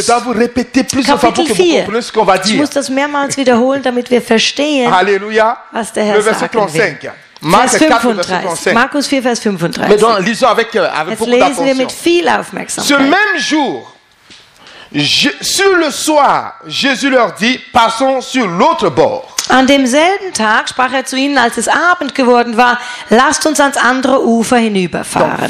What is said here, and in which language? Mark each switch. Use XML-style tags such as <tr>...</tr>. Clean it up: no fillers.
<fr>je dois vous répéter plusieurs fois pour que vous compreniez ce qu'on va dire.</fr> <de>Ich muss das mehrmals wiederholen, damit wir verstehen. Alléluia. Was der Herr</de> <fr>le verset 35.</fr> <de>Markus 4 Vers 35. Markus 4 Vers 35.</de> <fr>Mais donc, lisons avec beaucoup</fr> <de>Lesen wir mit viel Aufmerksamkeit.</de> <fr>Ce même jour, sur le soir, Jésus leur dit: "Passons sur l'autre bord."</fr> <de>An demselben Tag sprach er zu ihnen, als es Abend geworden war: "Lasst uns ans andere Ufer hinüberfahren."</de>